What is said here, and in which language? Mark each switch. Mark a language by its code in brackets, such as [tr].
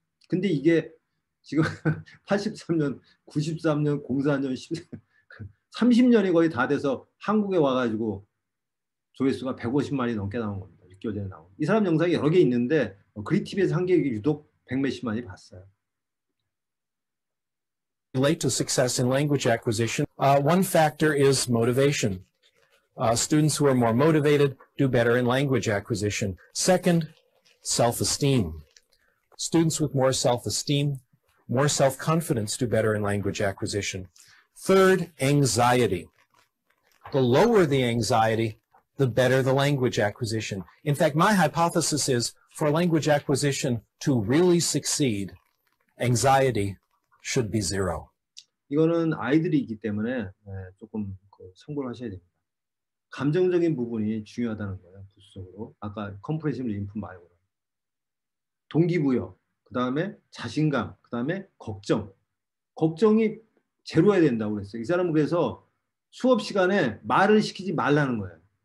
[ko] 근데 이게 지금 83년, 93년, 04년, 30년이 거의 다 돼서 한국에 와가지고 조회수가 150만이 넘게 나온 겁니다. 6개월 전에 나온. 이 사람 영상이 여러 개 있는데 그리티비에서 한 개 유독 100몇십만이 봤어요. [en] Relate to success in language acquisition. One factor is motivation. Students who are more motivated do better in language acquisition. Second, self-esteem. Students with more self-esteem, more self-confidence do better in language acquisition. Third, anxiety. The lower the anxiety, the better the language acquisition. In fact, my hypothesis is for language acquisition to really succeed, anxiety should be zero. [ko] 이거는 아이들이기 때문에 조금 참고를 하셔야 됩니다. 감정적인 부분이 중요하다는 거예요. 부수적으로. 아까 컴프레시브 림프 말고. 동기부여, 그 다음에 자신감, 그 다음에 걱정. 걱정이 제로해야 된다고 그랬어요. 이 사람은 그래서 수업 시간에 말을 시키지 말라는 거예요.